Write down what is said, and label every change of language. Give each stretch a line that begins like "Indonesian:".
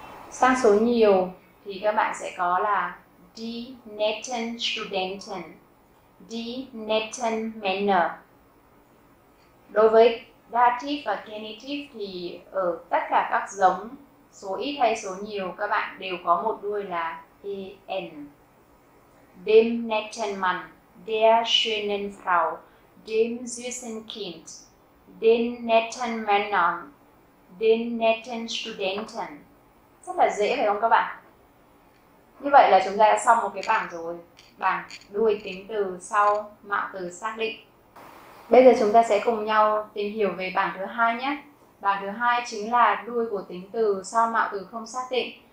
Vietnamese: Sang số nhiều thì các bạn sẽ có là
German: die netten Studenten, die netten Männer.
Vietnamese: Đối với dative và genitive thì ở tất cả các giống số ít hay số nhiều các bạn đều có một đuôi là en.
German: Dem netten Mann, der schönen Frau, dem süßen Kind, den netten Männern, den netten Studenten.
Vietnamese: Rất là dễ phải không các bạn? Như vậy là chúng ta đã xong một cái bảng rồi, bảng đuôi tính từ sau mạo từ xác định. Bây giờ chúng ta sẽ cùng nhau tìm hiểu về bảng thứ hai nhé. Bảng thứ hai chính là đuôi của tính từ sau mạo từ không xác định.